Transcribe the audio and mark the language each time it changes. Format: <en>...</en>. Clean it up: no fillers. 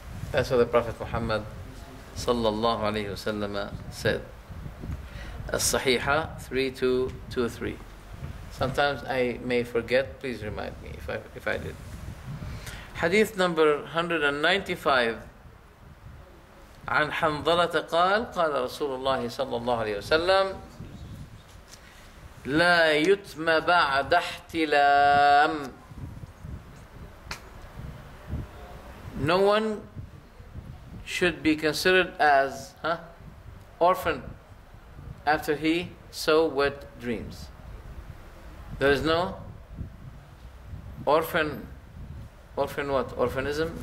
<en>That's what the Prophet Muhammad sallallahu alayhi wa sallam said. As-Sahihah 3223. Sometimes I may forget, please remind me if I did. Hadith number 195.</en> <ar>عن حنظلة قال قال رسول الله صلى الله عليه وسلم لا يتم بعد احتلام.</ar> <en>No one should be considered as orphan after he saw wet dreams. There is no orphan what? Orphanism?</en>